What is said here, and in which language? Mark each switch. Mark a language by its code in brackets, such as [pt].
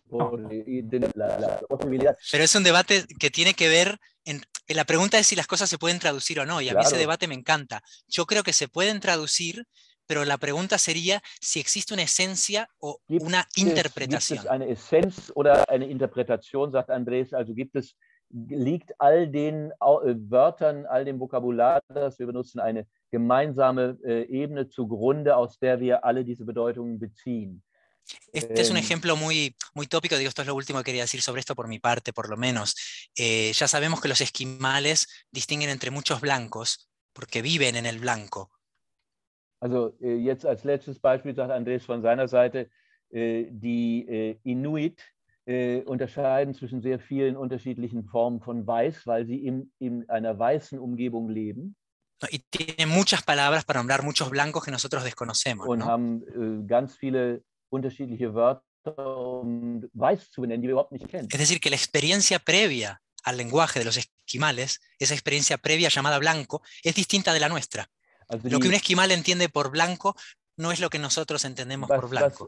[es] Pero es un debate que tiene que ver en la pregunta es si las cosas se pueden traducir o no, y a mí claro. Ese debate me encanta. Yo creo que se pueden traducir, pero la pregunta sería si existe una esencia o una interpretación. [de] ¿Gibt es eine Essenz oder eine Interpretation, sagt Andrés? Also gibt es, liegt all den Wörtern, all dem Vokabular, das wir benutzen, eine gemeinsame Ebene zugrunde, aus der wir alle diese Bedeutungen beziehen. [es] Este es un ejemplo muy, muy tópico, digo, esto es lo último que quería decir sobre esto por mi parte, por lo menos. Ya sabemos que los esquimales distinguen entre muchos blancos, porque viven en el blanco. [de] Also jetzt als letztes Beispiel sagt Andrés von seiner Seite, die Inuit unterscheiden zwischen sehr vielen unterschiedlichen Formen von Weiß, weil sie in einer weißen Umgebung leben. [es] Y tiene muchas palabras para nombrar muchos blancos que nosotros desconocemos. [de] Und [es] ¿no? [de] haben ganz viele unterschiedliche Wörter, um weiß zu benennen, die wir überhaupt nicht kennen. [es] Es decir, que la experiencia previa al lenguaje de los esquimales, esa experiencia previa llamada blanco, es distinta de la nuestra. Also lo que un esquimal entiende por blanco no es lo que nosotros entendemos por blanco.